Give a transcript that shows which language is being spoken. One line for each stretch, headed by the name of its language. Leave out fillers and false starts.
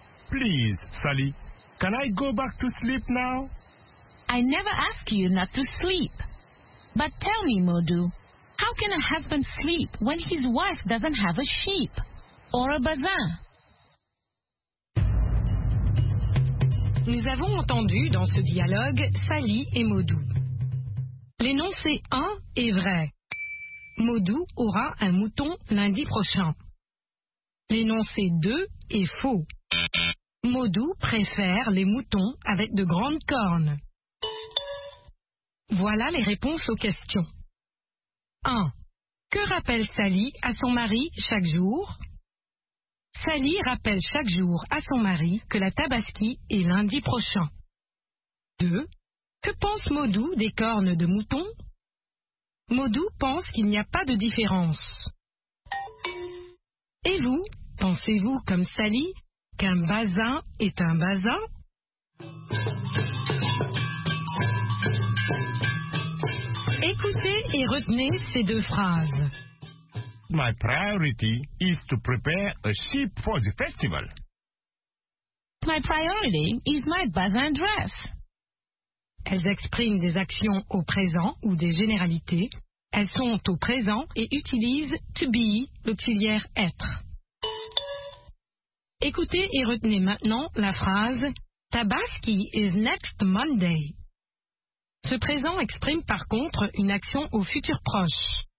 English: Please, Sally, can I go back to sleep now? I never ask you not to sleep. But tell me, Maudou, how can a husband sleep when his wife doesn't have a sheep or a bazaar?
French: Nous avons entendu dans ce dialogue Sally et Maudou. L'énoncé 1 est vrai. Maudou aura un mouton lundi prochain. L'énoncé 2 est faux. Maudou préfère les moutons avec de grandes cornes. Voilà les réponses aux questions. 1. Que rappelle Sally à son mari chaque jour? Sally rappelle chaque jour à son mari que la Tabaski est lundi prochain. 2. Que pense Maudou des cornes de mouton? Maudou pense qu'il n'y a pas de différence. Et vous, pensez-vous comme Sally qu'un bazaar est un bazaar? Écoutez et retenez ces deux phrases.
English: My priority is to prepare a ship for the festival. My priority is my bazaar dress.
French: Elles expriment des actions au présent ou des généralités. Elles sont au présent et utilisent « to be », l'auxiliaire « être ». Écoutez et retenez maintenant la phrase «
English: Tabaski is next Monday
French: ». Ce présent exprime par contre une action au futur proche.